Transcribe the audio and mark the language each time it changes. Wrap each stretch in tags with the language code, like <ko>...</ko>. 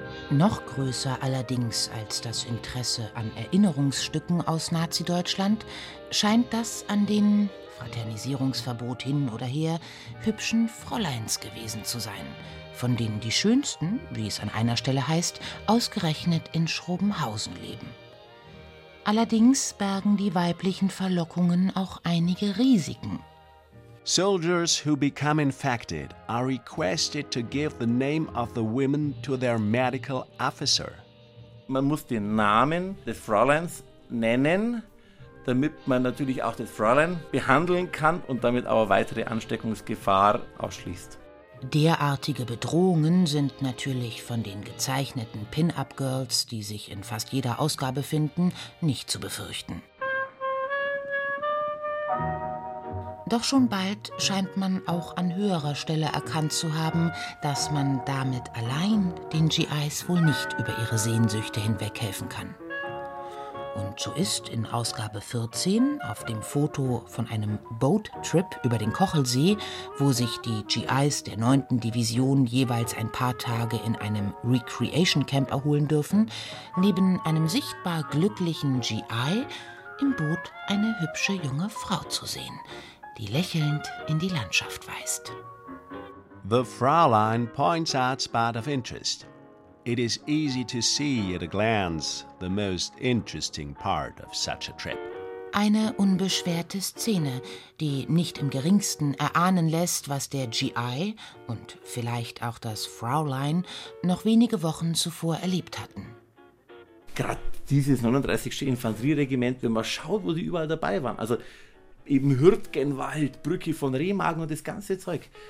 <de>Noch größer allerdings als das Interesse an Erinnerungsstücken aus Nazi-Deutschland scheint das an den, Fraternisierungsverbot hin oder her, hübschen Fräuleins gewesen zu sein, von denen die schönsten, wie es an einer Stelle heißt, ausgerechnet in Schrobenhausen leben. Allerdings bergen die weiblichen Verlockungen auch einige Risiken.</de> <en>Soldiers who become infected are requested to give the name of the women to their medical officer.</en> <de>Man muss den Namen des Fräuleins nennen, damit man natürlich auch das Fräulein behandeln kann und damit aber weitere Ansteckungsgefahr ausschließt. Derartige Bedrohungen sind natürlich von den gezeichneten Pin-Up-Girls, die sich in fast jeder Ausgabe finden, nicht zu befürchten. Doch schon bald scheint man auch an höherer Stelle erkannt zu haben, dass man damit allein den GIs wohl nicht über ihre Sehnsüchte hinweghelfen kann. Und so ist in Ausgabe 14 auf dem Foto von einem Boat-Trip über den Kochelsee, wo sich die GIs der 9. Division jeweils ein paar Tage in einem Recreation-Camp erholen dürfen, neben einem sichtbar glücklichen GI im Boot eine hübsche junge Frau zu sehen, die lächelnd in die Landschaft weist.</de> <en>The Fräulein points out spot of interest. It is easy to see at a glance the most interesting part of such a trip.</en> <de>Eine unbeschwerte Szene, die nicht im geringsten erahnen lässt, was der GI und vielleicht auch das Fräulein noch wenige Wochen zuvor erlebt hatten. Gerade dieses 39. Infanterieregiment, wenn man schaut, wo die überall dabei waren, also eben Hürtgenwald, Brücke von Remagen und das ganze Zeug.</de>